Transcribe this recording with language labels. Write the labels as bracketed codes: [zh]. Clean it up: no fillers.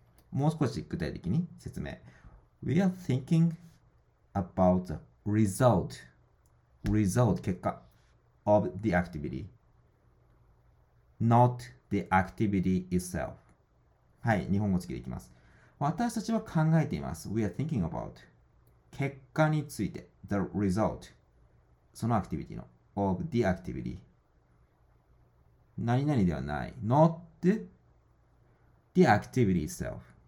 [ja] もう少し具体的に説明。 [en] We are thinking about the result, [ja] 結果 [en] of the activity, not the activity itself. [ja] はい、日本語付きでいきます。私たちは考えています。 [en] We are thinking about [ja] 結果について。 [en] The result. [ja] そのアクティビティの。 [en] Of the activity. [ja] 何々ではない。 [en] Not the activity itself.